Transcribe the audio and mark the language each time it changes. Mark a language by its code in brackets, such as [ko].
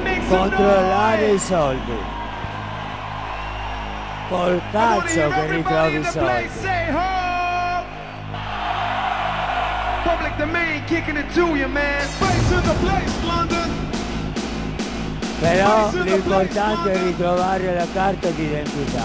[it] Controllare i soldi. Col cazzo che ritrovi i soldi. [en] Say ho! Public domain kicking it to you, man. Face in the place, London. [it] Però l'importante è ritrovare la carta d'identità.